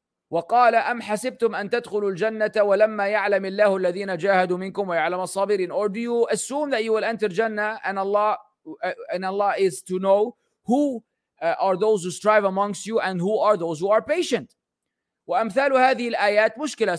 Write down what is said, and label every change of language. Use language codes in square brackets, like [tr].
[ar] وقال أم حسبتم أن تدخلوا الجنة ولما يعلم الله الذين جاهدوا منكم ويعلم الصابرين. [en] Or do you assume that you will enter Jannah and Allah is to know who are those who strive amongst you and who are those who are patient. [ar] وأمثال هذه الآيات مشكلة.